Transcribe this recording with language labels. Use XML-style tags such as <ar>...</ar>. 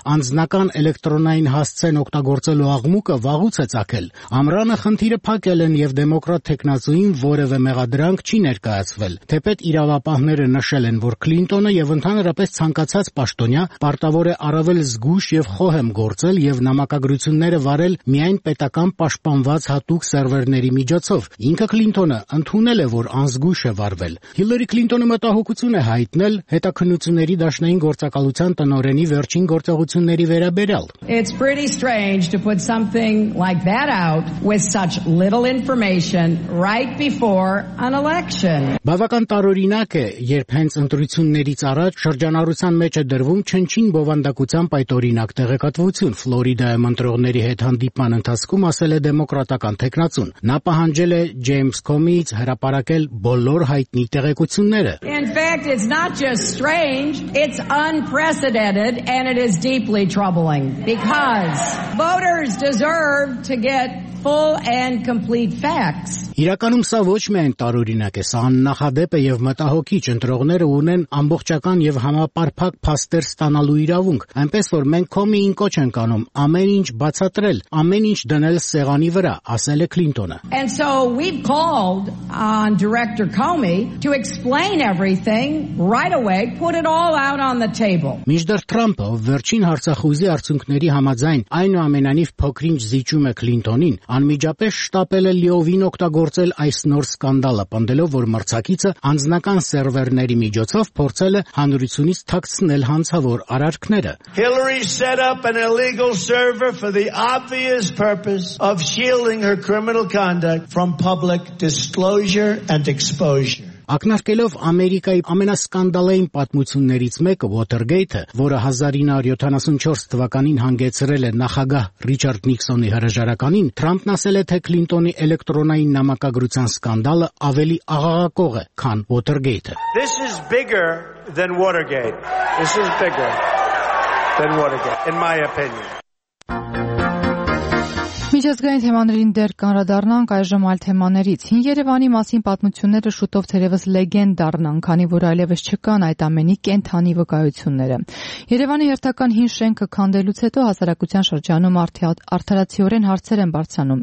<hy>անձնական էլեկտրոնային հասցեն օգտագործելու աղմուկը վաղուց է ցակել։ Ամրանը խնդիրը փակել են եւ դեմոկրատ թեկնածուին որևէ մեղադրանք չի ներկայացվել։ Թեպետ իրավապահները նշել են, որ Քլինտոնը եւ ընդհանրապես ցանկացած պաշտոնյա պարտավոր է առավել զգուշ եւ խոհեմ գործել եւ նամակագրությունները վարել միայն պետական պաշտպանված հատուկ սերվերների միջոցով։ Ինքը Քլինտոնը ընդունել է, որ անզգուշ է վարվել։ Հիլարի Քլինտոնը մտահոգություն է հայտնել հետաքննությունների դաշնային գործակալության տնօրենի վերջին գործողությունների վերաբերյալ։</hy> <en>It's pretty strange to put something like that out with such little information right before an election.</en> <hy>Բավական տարօրինակ է, երբ հենց ընտրություններից առաջ շրջանառության մեջ է դրվում չնչին բովանդակությամբ այդ օրինակ տեղեկատվություն։ Ֆլորիդայում ընտրողների հետ հանդիպման ընթացքում ասել է դեմոկրատական թեկնածուն, նա պահանջել է Ջեյմս Քոմի հրապարակել բոլոր հայտնի տեղեկությունները։</hy> <en>In fact, it's not just strange, it's unprecedented and it is deeply troubling because voters deserve to get full and complete facts.</en> <hy>Իրականում սա ոչ միայն տարօրինակ է, սա աննախադեպ է եւ մտահոգիչ։ Ընտրողները ունեն ամբողջական եւ համապարփակ փաստեր ստանալու իրավունք, այնպես որ մենք Քոմիին կոչ ենք անում ամեն ինչ բացատրել, ամեն ինչ դնել սեղանի վրա, ասել է Քլինտոնը։</hy> <en>And so we've called on Director Comey to explain everything right away, put it all out on the table.</en> <hy>Միջդեռ Թրամփը վերջին հարցախուզի արդյունքների համաձայն այնուամենայնիվ փոքրինչ զիջում է Քլինտոնին, անմիջապես շտապել է լիովին օկտոբերին օգտագործել այս նոր սկանդալը, պնդելով, որ մրցակիցը անձնական սերվերների միջոցով փորձել է հանրությունից թաքցնել հանցավոր արարքները.</hy> <en>Hillary set up an illegal server for the obvious purpose of shielding her criminal conduct from public disclosure and exposure.</en> <hy>Ակնարկելով Ամերիկայի ամենասկանդալային պատմություններից մեկը Watergate-ը, որը 1974 թվականին հանգեցրել է նախագահ Ռիչարդ Նիքսոնի հրաժարականին, Թրամփն ասել է, թե Քլինտոնի էլեկտրոնային նամակագրության սկանդալը ավելի աղաղակող է, քան Watergate-ը.</hy> <en>This is bigger than Watergate. This is bigger than Watergate, in my opinion.</en> <hy>Միջազգային թեմաներին դեռ կանրադառնանք այժմ այլ թեմաներից։ Հին Երևանի մասին պատմությունները շուտով թերևս լեգենդ դառնան, քանի որ այլևս չկան այդ ամենի կենթանի վկայությունները։ Երևանի հերթական հին շենքը քանդելուց հետո հասարակության շրջանում արդարացիորեն հարցեր են բարձրանում.</hy>